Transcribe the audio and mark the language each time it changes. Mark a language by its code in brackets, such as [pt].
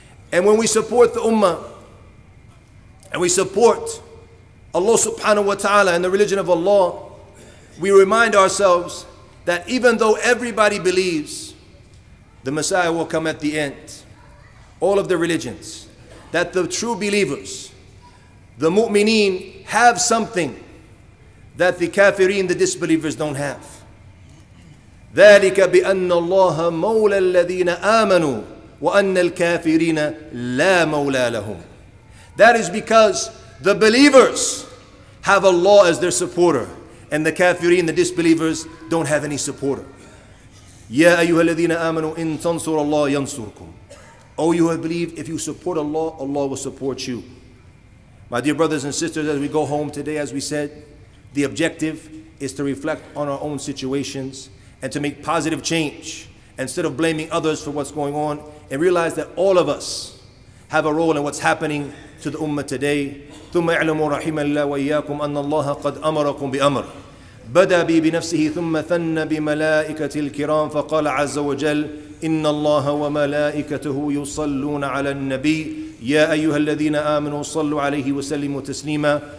[en] And when we support the ummah and we support Allah subhanahu wa ta'ala and the religion of Allah, we remind ourselves that even though everybody believes the Messiah will come at the end, all of the religions, that the true believers, the mu'mineen, have something that the kafirin, the disbelievers, don't have. [ar] ذلك بأن الله مولى الذين آمنوا وأن الكافرين لا مولى لهم. [en] That is because the believers have Allah as their supporter, and the kafirin, the disbelievers, don't have any supporter. [ar] يَا أَيُّهَا الَّذِينَ آمَنُوا إِن تَنْصُرَ اللَّهُ يَنْصُرْكُمْ. [en] O you who believe, if you support Allah, Allah will support you. My dear brothers and sisters, as we go home today, as we said, the objective is to reflect on our own situations and to make positive change instead of blaming others for what's going on, and realize that all of us have a role in what's happening to the ummah today. [ar] ثُمَّ اعْلَمُوا رَحِمَ اللَّهُ وَإِيَّاكُمْ أَنَّ اللَّهَ قَدْ أَمَرَكُمْ بِأَمْرٍ بَدَى بِنَفْسِهِ ثُمَّ ثَنَّ بِمَلَائِكَةِ الْكِرَامِ فَقَالَ عَزَّ وَجَلَّ إِنَّ اللَّهَ وَمَلَائِكَتَهُ يُصَلُّونَ عَلَى النَّبِيِّ يَا أَيُّهَا الَّذِينَ آمَنُوا صَلُّوا عَلَيْهِ وَسَلِّمُوا تَسْلِيمًا